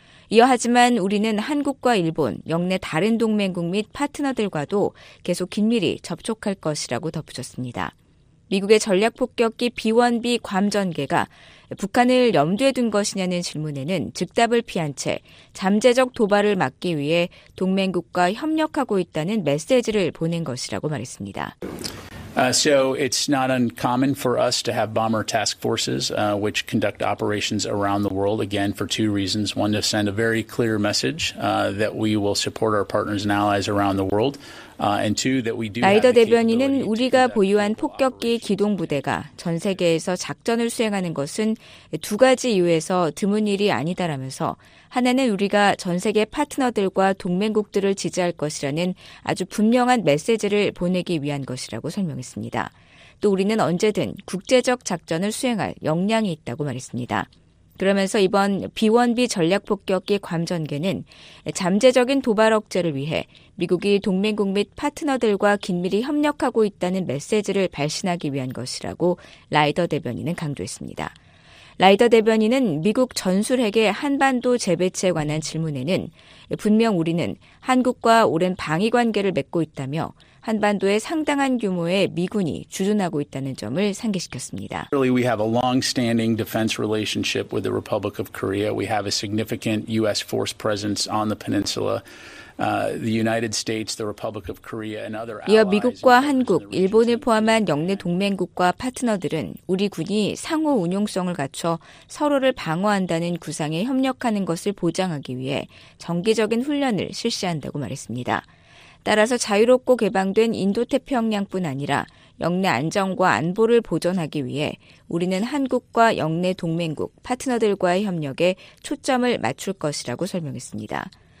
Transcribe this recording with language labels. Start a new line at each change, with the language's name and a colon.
Korean: 이어 하지만 우리는 한국과 일본, 영내 다른 동맹국 및 파트너들과도 계속 긴밀히 접촉할 것이라고 덧붙였습니다. 미국의 전략폭격기 B-1B 괌전개가 북한을 염두에 둔 것이냐는 질문에는 즉답을 피한 채 잠재적 도발을 막기 위해 동맹국과 협력하고 있다는 메시지를 보낸 것이라고 말했습니다.
English: So it's not uncommon for us to have bomber task forces which conduct operations around the world again for two reasons. One, to send a very clear message that we will support our partners and allies around the world. And two, that we do.
Korean: 라이더 대변인은 우리가 보유한 폭격기 기동 부대가 전 세계에서 작전을 수행하는 것은 두 가지 이유에서 드문 일이 아니다라면서 하나는 우리가 전 세계 파트너들과 동맹국들을 지지할 것이라는 아주 분명한 메시지를 보내기 위한 것이라고 설명했습니다. 또 우리는 언제든 국제적 작전을 수행할 역량이 있다고 말했습니다. 그러면서 이번 B-1B 전략폭격기 괌전개는 잠재적인 도발 억제를 위해 미국이 동맹국 및 파트너들과 긴밀히 협력하고 있다는 메시지를 발신하기 위한 것이라고 라이더 대변인은 강조했습니다. 라이더 대변인은 미국 전술핵의 한반도 재배치에 관한 질문에는 분명 우리는 한국과 오랜 방위 관계를 맺고 있다며 한반도에 상당한 규모의 미군이 주둔하고 있다는 점을 상기시켰습니다.
English: Really, we have a long-standing defense relationship with the Republic of Korea. We have a significant U.S. force presence on the peninsula. The United States, the Republic of Korea, and other allies.
Korean: 이어 미국과 한국, 일본을 포함한 영내 동맹국과 파트너들은 우리 군이 상호 운용성을 갖춰 서로를 방어한다는 구상에 협력하는 것을 보장하기 위해 정기적인 훈련을 실시한다고 말했습니다. 따라서 자유롭고 개방된 인도태평양뿐 아니라 영내 안정과 안보를 보존하기 위해 우리는 한국과 영내 동맹국, 파트너들과의 협력에 초점을 맞출 것이라고 설명했습니다.